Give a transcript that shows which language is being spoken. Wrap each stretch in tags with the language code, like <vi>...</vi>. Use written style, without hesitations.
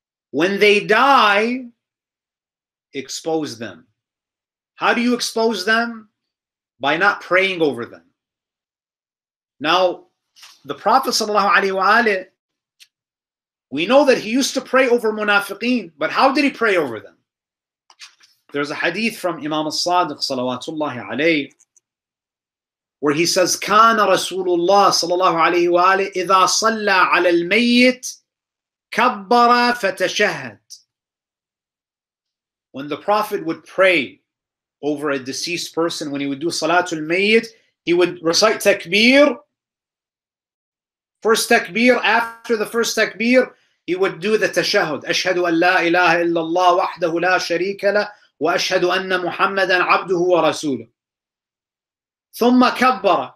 <en>When they die, expose them. How do you expose them? By not praying over them. Now, the Prophet sallallahu alaihi wa alihi, we know that he used to pray over munafiqeen, but how did he pray over them? There's a hadith from Imam al-Sadiq salawatullahi alayhi, where he says,</en> <ar>كَانَ رَسُولُ اللَّهِ صَلَى اللَّهُ عَلَيْهِ وَآلِهِ إِذَا صَلَّى عَلَى الْمَيِّتِ كَبَّرَ فَتَشَهَّدَ.</ar> <en>When the Prophet would pray over a deceased person, when he would do Salatul Mayyit, he would recite takbir. First takbir, after the first takbir, he would do the tashahud.</en> <ar>أَشْهَدُ أَنْ لَا إِلَهَ إِلَّا اللَّهُ وَحْدَهُ لَا شَرِيكَ لَهُ وَأَشْهَدُ أَنَّ مُحَمَّدًا عَبْدُهُ وَرَسُولُهُ. ثُمَّ كَبَّرَ.</ar>